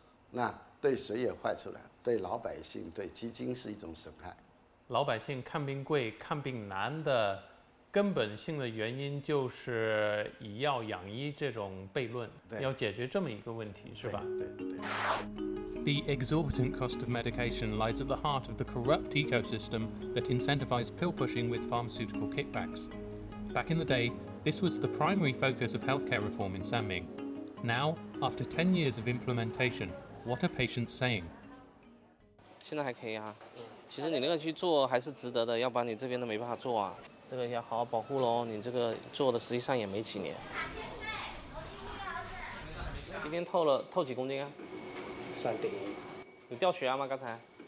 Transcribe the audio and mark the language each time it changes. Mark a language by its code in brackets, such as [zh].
[zh] 那对谁也坏处了，对老百姓，对基金是一种损害。老百姓看病贵看病难的根本性的原因就是以药养医这种悖论，要解决这么一个问题，是吧？对。 [en] The exorbitant cost of medication lies at the heart of the corrupt ecosystem that incentivized pill pushing with pharmaceutical kickbacks. Back in the day, this was the primary focus of healthcare reform in Sanming. Now, after 10 years of implementation, what are patients saying? [zh] 现在还可以啊，其实你那个去做还是值得的，要不然你这边都没办法做啊。这个要好好保护喽，你这个做的实际上也没几年。一天透几公斤啊？ 3.1。你掉血压吗？刚才